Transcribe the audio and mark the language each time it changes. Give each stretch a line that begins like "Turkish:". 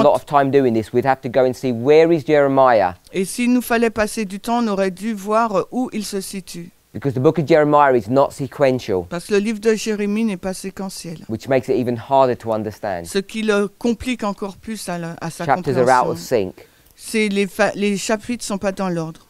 English: A lot of time doing this, we'd have to go and see where is Jeremiah.
French: Et s'il nous fallait passer du temps, on aurait dû voir où il se situe.
English: Because the book of Jeremiah is not sequential.
French: Parce que le livre de Jérémie n'est pas séquentiel.
English: Which makes it even harder to understand.
French: Ce qui le complique encore plus à sa compréhension.
English: Chapters are out of sync.
French: C'est les chapitres ne sont pas dans l'ordre.